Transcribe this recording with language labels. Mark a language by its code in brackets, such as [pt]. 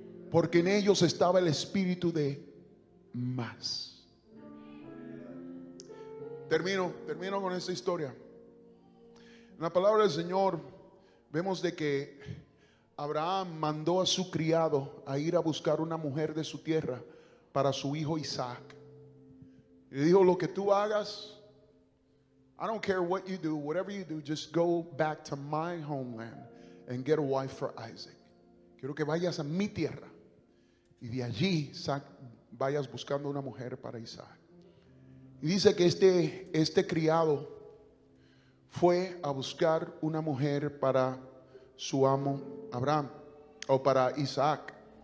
[es] Porque en ellos estaba el espíritu de más. Termino con esta historia. En la palabra del Señor vemos de que Abraham mandó a su criado a ir a buscar una mujer de su tierra para su hijo Isaac. Y le dijo, lo que tú hagas, [en] I don't care what you do, whatever you do, just go back to my homeland and get a wife for Isaac. [es] Quiero que vayas a mi tierra y de allí vayas buscando una mujer para Isaac. Y dice que este criado fue a buscar una mujer para su amo Abraham o para Isaac.